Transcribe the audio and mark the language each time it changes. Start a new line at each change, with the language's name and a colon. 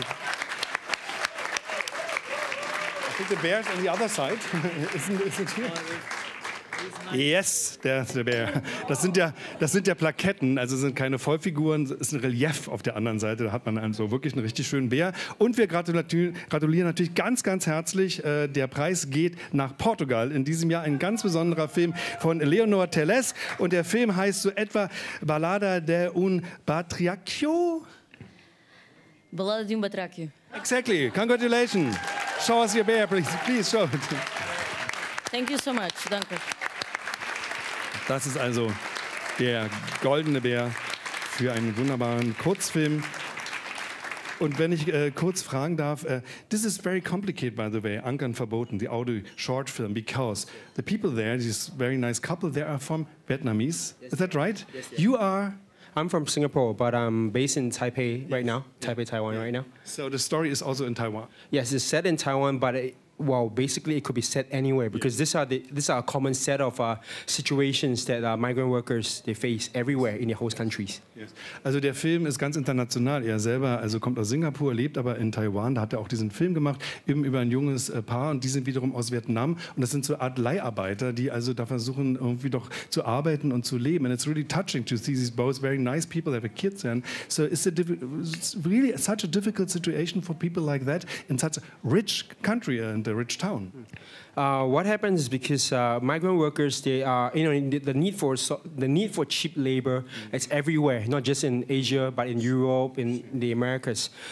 English: I think the bear's on the other side. isn't it here? Yes,
German: der ist der Bär. Das sind ja Plaketten, also sind keine Vollfiguren, es ist ein Relief auf der anderen Seite. Da hat man also wirklich einen richtig schönen Bär. Und wir gratulieren natürlich ganz, ganz herzlich. Der Preis geht nach Portugal. In diesem Jahr ein ganz besonderer Film von Leonor Teles. Und der Film heißt so etwa Balada de un Batracio? Balada de un Batracio.
English: Exactly. Congratulations. Show us your bear, please. Please show it. Thank you so much. Danke.
German: Das ist also der goldene Bär für einen wunderbaren Kurzfilm. Und wenn ich kurz fragen darf,
English: this is very complicated, by the way, Ankern verboten, the audio short film, because the people there, this very nice couple, they are from Vietnamese. Yes, is that right? Yes, yes. You are? I'm from Singapore, but I'm based in Taipei right now, Taipei, Taiwan right now. So the story is also in Taiwan? Yes, it's set in Taiwan, but basically it could be set anywhere because these are a common set of situations that migrant workers they face everywhere in their host countries.
German: Yes. Also der Film ist ganz international. Er selber also kommt aus Singapur, lebt aber in Taiwan. Da hat er auch diesen Film gemacht, eben über ein junges Paar. Und die sind wiederum aus Vietnam. Und das sind so eine Art Leiharbeiter, die also da versuchen, irgendwie doch zu arbeiten und zu leben.
English: And it's really touching to see these both very nice people that have kids. And so it's really such a difficult situation for people like that in such a rich country. The rich town. What happens is because migrant workers, they are, you know, the need for cheap labor is everywhere, not just in Asia, but in Europe, in the Americas.